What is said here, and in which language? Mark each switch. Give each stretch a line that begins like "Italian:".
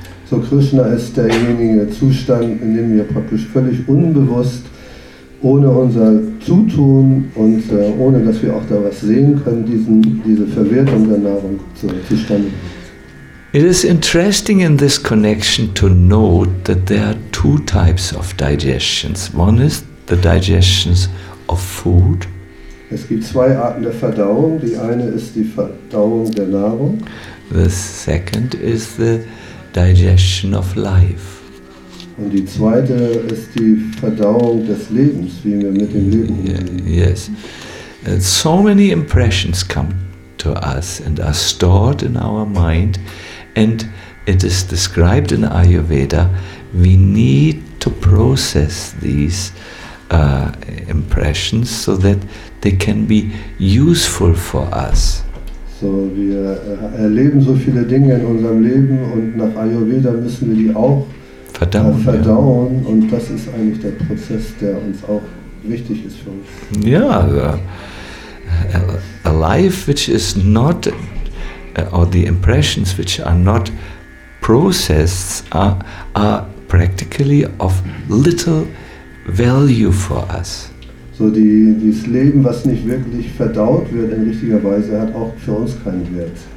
German: So Krishna ist derjenige Zustand, in dem wir praktisch völlig unbewusst, ohne unser Zutun und ohne dass wir auch da was sehen können, diese Verwertung der Nahrung zustande kommt.
English: It is interesting in this connection to note that there are two types of digestions. One is the digestions of food.
German: Es gibt zwei Arten der Verdauung. Die eine ist die Verdauung der Nahrung.
English: The second is the digestion of life.
German: Und die zweite ist die Verdauung des Lebens, wie wir mit dem Leben umgehen.
English: Yes. And so many impressions come to us and are stored in our mind. And it is described in Ayurveda, we need to process these impressions so that they can be useful for us.
German: So wir erleben so viele Dinge in unserem Leben und nach Ayurveda müssen wir die auch verdauen. Ja. Und das ist eigentlich der Prozess, der uns auch wichtig ist für uns.
English: Ja, a life which is not, or the impressions which are not processed are practically of little value for us.
German: So dieses Leben, was nicht wirklich verdaut wird in richtiger Weise, hat auch für uns keinen Wert.